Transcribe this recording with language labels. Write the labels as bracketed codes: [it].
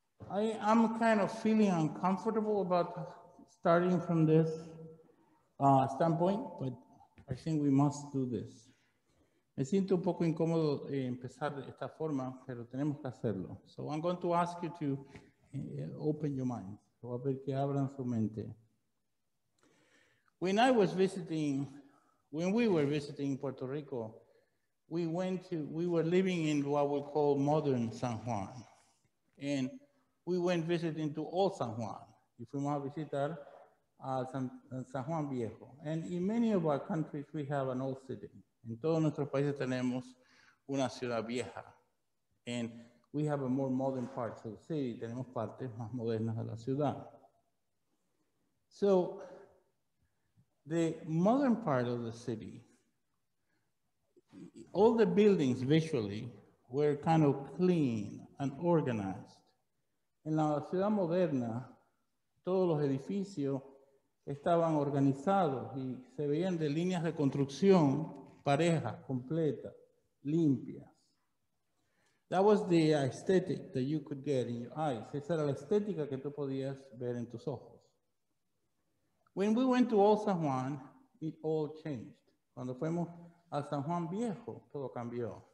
[en] I'm kind of feeling uncomfortable about starting from this standpoint, but I think we must do this. [es] Me siento un poco incómodo empezar de esta forma, pero tenemos que hacerlo. [en] So I'm going to ask you to open your mind. [es] Voy a ver que abran su mente. [en] When I was visiting, when we were visiting Puerto Rico, we were living in what we call modern San Juan. And we went visiting to old San Juan. [es] Y fuimos a visitar a San Juan Viejo. [en] And in many of our countries, we have an old city. [es] En todos nuestros países tenemos una ciudad vieja. [en] And we have a more modern part of the city. [es] Tenemos partes más modernas de la ciudad. [en] So, the modern part of the city, all the buildings visually were kind of clean and organized. [es] En la ciudad moderna, todos los edificios estaban organizados y se veían de líneas de construcción pareja, completa, limpias. [en] That was the aesthetic that you could get in your eyes. [es] Esa era la estética que tú podías ver en tus ojos. [en] When we went to Old San Juan, it all changed. [es] Cuando fuimos a San Juan Viejo, todo cambió.